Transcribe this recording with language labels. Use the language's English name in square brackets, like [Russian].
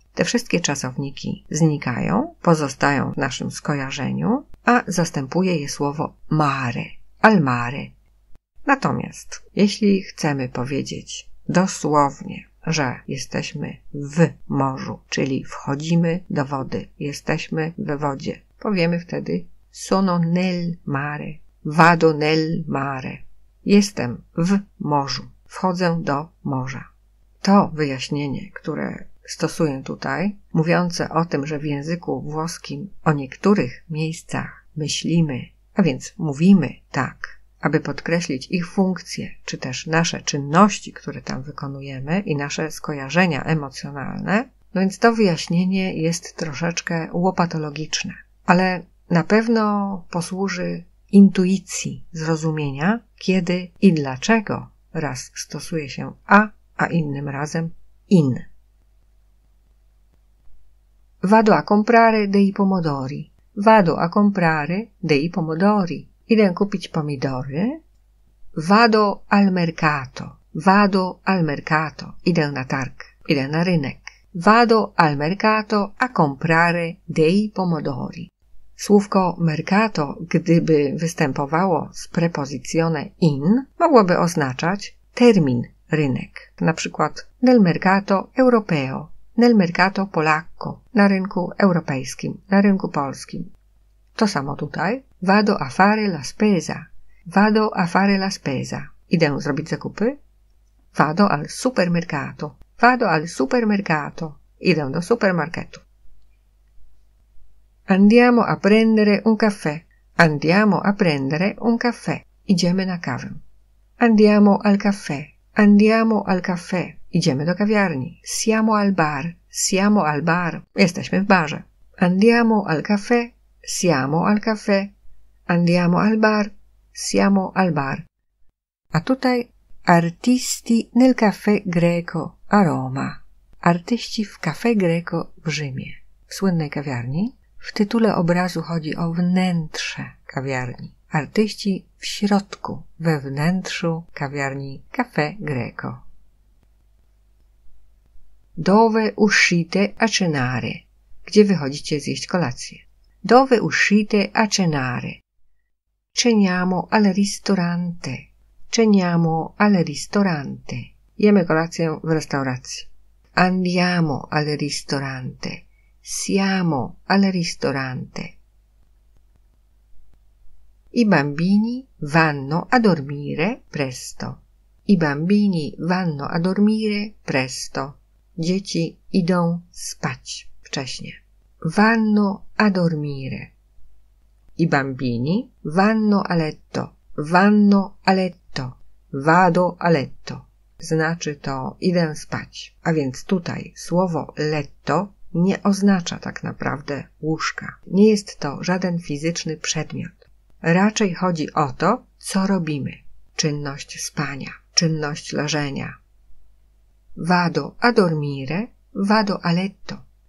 [Polish] Te wszystkie czasowniki znikają, pozostają w naszym skojarzeniu, a zastępuje je słowo mare, [Italian] al mare. [Polish] Natomiast, jeśli chcemy powiedzieć dosłownie, że jesteśmy w morzu, czyli wchodzimy do wody, jesteśmy we wodzie. Powiemy wtedy [Italian] sono nel mare, vado nel mare. [Polish] Jestem w morzu, wchodzę do morza. To wyjaśnienie, które stosuję tutaj, mówiące o tym, że w języku włoskim o niektórych miejscach myślimy, a więc mówimy tak, aby podkreślić ich funkcje, czy też nasze czynności, które tam wykonujemy i nasze skojarzenia emocjonalne, no więc to wyjaśnienie jest troszeczkę łopatologiczne, ale na pewno posłuży intuicji zrozumienia, kiedy i dlaczego raz stosuje się a innym razem in. [Italian] Vado a comprare dei pomodori. Vado a comprare dei pomodori. [Polish] Idę kupić pomidory. [Italian] Vado al mercato. Vado al mercato. [Polish] Idę na targ. Idę na rynek. [Italian] Vado al mercato a comprare dei pomodori. [Polish] Słówko mercato, gdyby występowało z prepozycjone in, mogłoby oznaczać termin rynek. Na przykład [Italian] nel mercato europeo, nel mercato polacco, [Polish] na rynku europejskim, na rynku polskim. To samo tutaj. [Italian] Vado a fare la spesa. Vado a fare la spesa. [Polish] Idę zrobić zakupy. [Italian] Vado al supermercato. Vado al supermercato. [Polish] Idę do supermarketu. [Italian] Andiamo a prendere un caffè. Andiamo a prendere un caffè. [Polish] Idziemy na kawę. [Italian] Andiamo al caffè. Andiamo al caffè. [Polish] Idziemy do kawiarni. [Italian] Siamo al bar. Siamo al bar. [Polish] Jesteśmy w barze. [Italian] Andiamo al caffè. Siamo al caffè. Andiamo al bar. Siamo al bar. [Polish] A tutaj [Italian] artisti nel caffè greco a Roma. [Polish] Artyści w caffè greco w Rzymie. W słynnej kawiarni. W tytule obrazu chodzi o wnętrze kawiarni. Artyści w środku, we wnętrzu kawiarni caffè greco. [Italian] Dove uscite a cenare? [Polish] Gdzie wychodzicie zjeść kolację? [Italian] Dove uscite a cenare? Ceniamo al ristorante. Ceniamo al ristorante. [Polish] Jemy kolację w restauracji. [Italian] Andiamo al ristorante. Siamo al ristorante. I bambini vanno a dormire presto. I bambini vanno a dormire presto. [Polish] Dzieci idą spać wcześnie. [Italian] Vanno a dormire. I bambini vanno a letto. Vanno a letto. Vado a letto. [Polish] Znaczy to idę spać. A więc tutaj słowo letto nie oznacza tak naprawdę łóżka. Nie jest to żaden fizyczny przedmiot. Raczej chodzi o to, co robimy. Czynność spania, czynność leżenia. [Italian] Vado a dormire, vado a letto.